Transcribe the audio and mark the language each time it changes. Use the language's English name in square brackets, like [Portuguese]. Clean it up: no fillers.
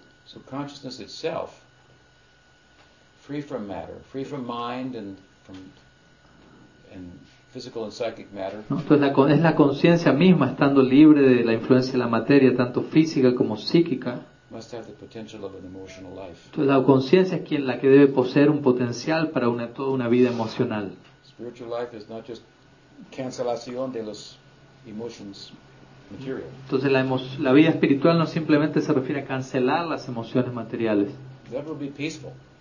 [English] So consciousness itself, free from matter, free from mind and from and physical and psychic matter. [Spanish] No, entonces es la conciencia misma estando libre de la influencia de la materia, tanto física como psíquica. [English] Must have the potential of an emotional life. [Spanish] Entonces la conciencia es quien la que debe poseer un potencial para una toda una vida emocional. [English] Spiritual life is not just [Spanish] cancelación de los [English] emotions material. [Spanish] Entonces la vida espiritual no simplemente se refiere a cancelar las emociones materiales. [English] That will be peaceful.